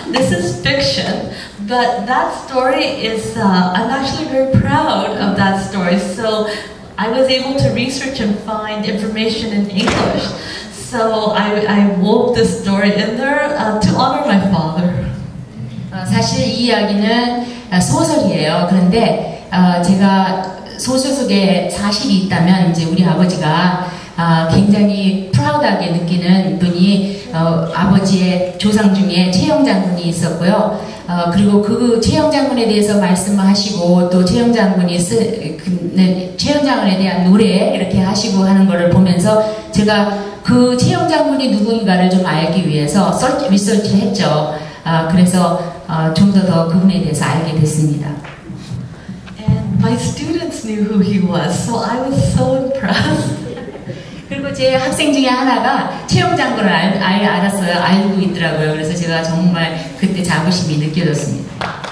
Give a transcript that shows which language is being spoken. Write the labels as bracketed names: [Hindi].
[English] This is fiction. But that story is, I'm actually very proud of that story. So I was able to research and find information in English. So I wove this story in there to honor my father. [Korean] 사실 이 이야기는 소설이에요. 그런데 제가 소설 속에 사실이 있다면 이제 우리 아버지가 굉장히 프라우드하게 느끼는 분이 아버지의 조상 중에 최영 장군이 있었고요. 그리고 그 최영 장군에 대해서 말씀을 하시고 또 최영 장군이 최영 장군에 대한 노래 이렇게 하시고 하는 것을 보면서 제가 그 최영 장군이 누군가를 좀 알기 위해서 리서치를 했죠. 그래서 좀 더 그분에 대해서 알게 됐습니다. [English] And my students knew who he was, so I was so impressed. [Korean] 그리고 제 학생 중에 하나가 최영 장군을 알고 있더라고요. 그래서 제가 정말 그때 자부심이 느껴졌습니다.